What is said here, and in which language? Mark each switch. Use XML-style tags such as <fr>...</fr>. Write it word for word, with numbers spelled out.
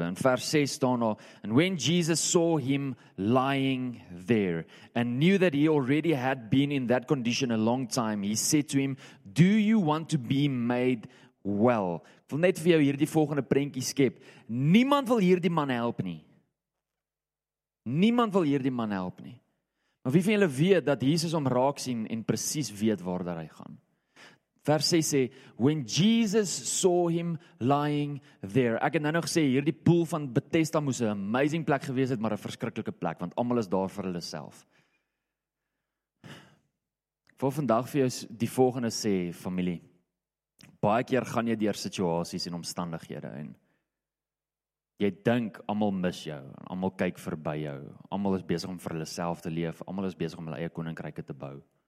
<af>In vers ses staan daar,</af> <en>and when Jesus saw him lying there and knew that he already had been in that condition a long time, he said to him, do you want to be made well?</en> <af>Ek wil net vir jou hierdie volgende prentjie skep. Niemand wil hierdie man help nie. Niemand wil hierdie man help nie. Maar wie van julle weet dat Jesus hom raak sien en presies weet waar hy gaan? Vers ses sê,</af> <en>when Jesus saw him lying there.</en> <af>Ek het nou nog gesê, hierdie poel van Bethesda moes 'n amazing plek gewees het, maar 'n verskriklike plek, want almal is daar vir hulle self. Ek wil vandag vir jou die volgende sê, familie. Baie keer gaan jy deur situasies en omstandighede en jy dink almal mis jou, almal kyk verby jou, almal is besig om vir hulle self te leef, almal is besig om hulle eie koninkryke te bou.</af>